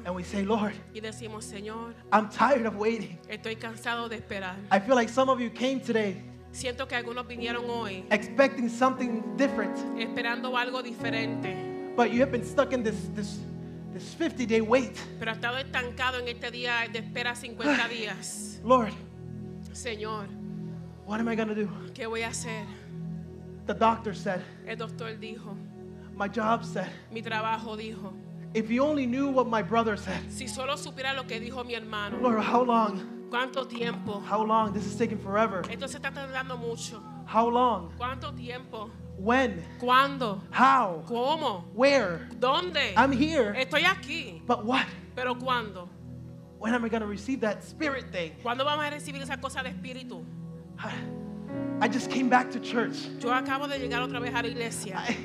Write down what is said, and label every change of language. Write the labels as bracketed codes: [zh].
[en] And we say, Lord, [es] y decimos, Señor, [en] I'm tired of waiting. [es] Estoy cansado de esperar. [en] I feel like some of you came today. [es] Siento que algunos vinieron hoy. [en] Expecting something different. [es] Esperando algo diferente. [en] But you have been stuck in this 50-day wait. [es] Pero he estado estancado en este día de espera 50 días. [en] Lord, [es] Señor, [en] what am I going to do? [es] ¿Qué voy a hacer? [en] The doctor said. [es] El doctor dijo. [en] My job said. [es] Mi trabajo dijo. [en] If you only knew what my brother said. [es] Si solo supiera lo que dijo mi hermano. [en] Lord, how long? [es] ¿Cuánto tiempo? [en] How long? This is taking forever. [es] Esto se está tardando mucho. [en] How long? [es] ¿Cuánto tiempo? [en] When? [es] ¿Cuándo? [en] How? [es] ¿Cómo? [en] Where? [es] ¿Dónde? [en] I'm here. [es] Estoy aquí. [en] But what? [es] ¿Pero cuándo? [en] When am I going to receive that spirit thing? [es] ¿Cuándo vamos a recibir esa cosa de espíritu? [en] I just came back to church. [es] Yo acabo de llegar otra vez a la iglesia.